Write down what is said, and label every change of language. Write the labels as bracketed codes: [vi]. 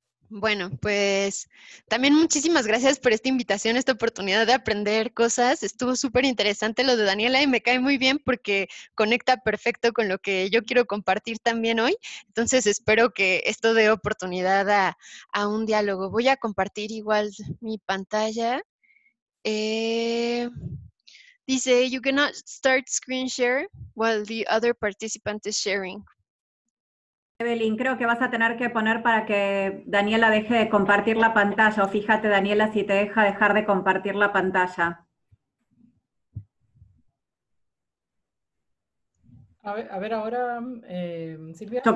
[es] Bueno, pues también muchísimas gracias por esta invitación, esta oportunidad de aprender cosas. Estuvo súper interesante lo de Daniela y me cae muy bien porque conecta perfecto con lo que yo quiero compartir también hoy. Entonces espero que esto dé oportunidad a un diálogo. Voy a compartir igual mi pantalla. [en] Dice, you cannot start screen share while the other participant is sharing. [es] Evelyn, creo que vas a tener que poner para que Daniela deje de compartir la pantalla, o fíjate, Daniela, si te deja dejar de compartir la pantalla. A ver ahora, Silvia.